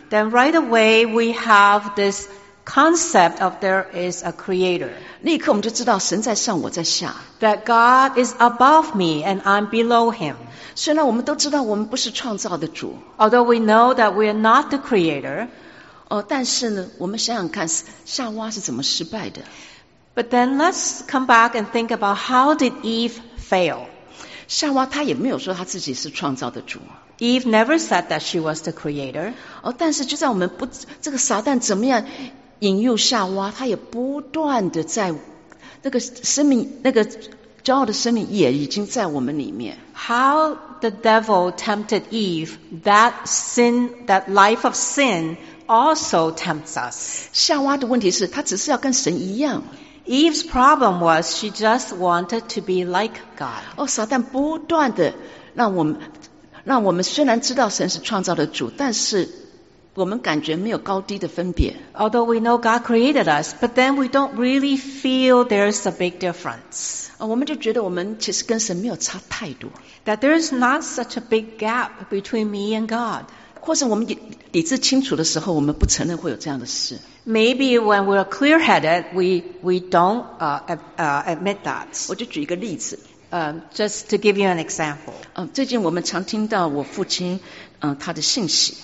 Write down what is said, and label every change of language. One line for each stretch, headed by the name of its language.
English: Then right away we have this concept of there is a creator.
Chinese: 立刻我们就知道神在上，我在下。
English: That God is above me and I'm below him.
Chinese: 虽然我们都知道我们不是创造的主，
English: Although we know that we are not the creator,
Chinese: 但是呢，我们想想看，夏娃是怎么失败的？
English: But then let's come back and think about how did Eve fail?
Chinese: 夏娃她也没有说她自己是创造的主。
English: Eve never said that she was the creator.
Chinese: 但是就在我们不这个撒旦怎么样引诱夏娃，她也不断的在那个生命那个。骄傲的生命也已经在我们里面。
English: How the devil tempted Eve, that sin, that life of sin also tempts us.
Chinese: 夏娃的问题是，她只是要跟神一样。
English: Eve's problem was she just wanted to be like God.
Chinese: 撒旦不断的让我们虽然知道神是创造的主，但是我们感觉没有高低的分别。
English: Although we know God created us, but then we don't really feel there's a big difference.
Chinese: 我们就觉得我们其实跟神没有差太多。
English: That there is not such a big gap between me and God.
Chinese: 或者我们理智清楚的时候，我们不承认会有这样的事。
English: Maybe when we're clear-headed, we don't admit that.
Chinese: 我就举一个例子。
English: Just to give you an example.
Chinese: 最近我们常听到我父亲他的信息。